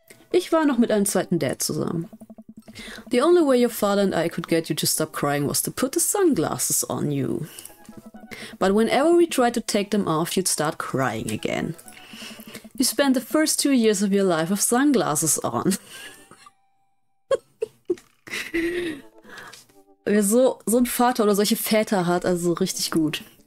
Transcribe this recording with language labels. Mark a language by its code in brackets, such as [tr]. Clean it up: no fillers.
[de] Ich war noch mit einem zweiten Dad zusammen. [en] The only way your father and I could get you to stop crying was to put the sunglasses on you. But whenever we tried to take them off, you'd start crying again. You spent the first 2 years of your life with sunglasses on. [de] Wer so ein Vater oder solche Väter hat, also richtig gut.